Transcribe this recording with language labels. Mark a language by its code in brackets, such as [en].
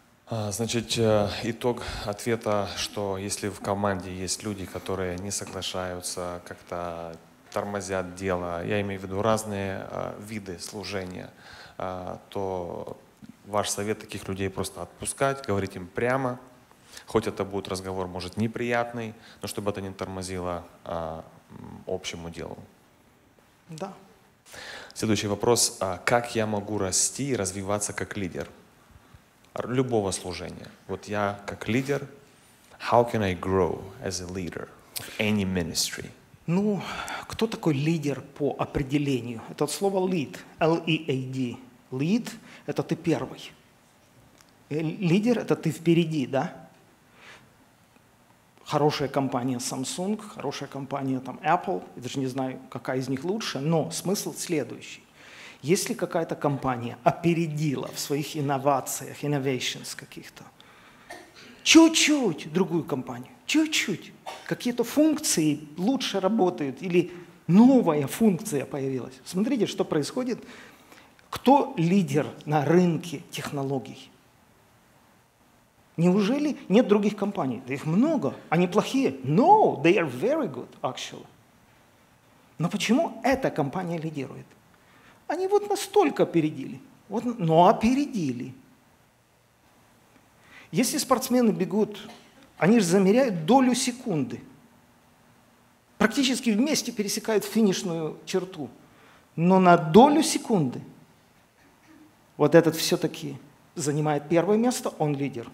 [ru] Значит, итог ответа, что если в команде есть люди, которые не соглашаются, как-то тормозят дело, я имею в виду разные виды служения, то ваш совет таких людей просто отпускать, говорить им прямо, хоть это будет разговор, может, неприятный, но чтобы это не тормозило общему делу. Да. Следующий вопрос. Как я могу расти и развиваться как лидер? Любого служения. Вот я как лидер. [en] How can I grow as a leader of any ministry? [ru] Ну, кто такой лидер по определению? Это от слова lead. [en] L-E-A-D. [ru] Lead – это ты первый. Лидер – это ты впереди, да? Хорошая компания Samsung, хорошая компания там, Apple, я даже не знаю, какая из них лучше, но смысл следующий. Если какая-то компания опередила в своих инновациях, innovations каких-то, чуть-чуть другую компанию, чуть-чуть, какие-то функции лучше работают или новая функция появилась. Смотрите, что происходит. Кто лидер на рынке технологий? Неужели нет других компаний? Да их много, они плохие. [en] No, they are very good, actually. [ru] Но почему эта компания лидирует? Они вот настолько опередили. Вот, но опередили. Если спортсмены бегут, они же замеряют долю секунды. Практически вместе пересекают финишную черту. Но на долю секунды вот этот все-таки занимает первое место, он лидер.